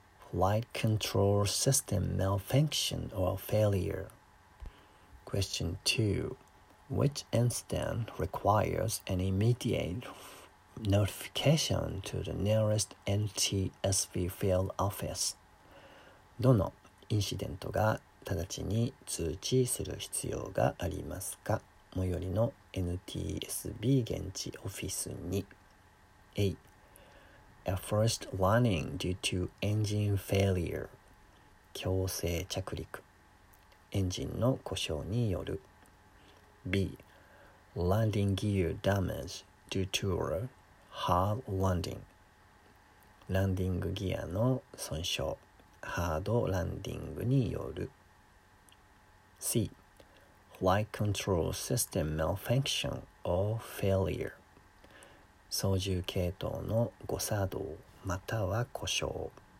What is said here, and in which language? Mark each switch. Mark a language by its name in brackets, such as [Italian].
[English] Flight control system malfunction or failure. Question 2. Which incident requires an immediate notification to the nearest NTSB field office? [Japanese] どのインシデントが直ちに通知する必要がありますか？最寄りの NTSB 現地オフィスに。 [English] A. A forced landing due to engine failure. [Japanese] 強制着陸。エンジンの故障による。 [English] B. Landing gear damage due to a hard landing. [Japanese] ランディングギアの損傷、ハードランディングによる。 [English] C. Flight control system malfunction or failure. [Japanese] 操縦系統の誤作動または故障。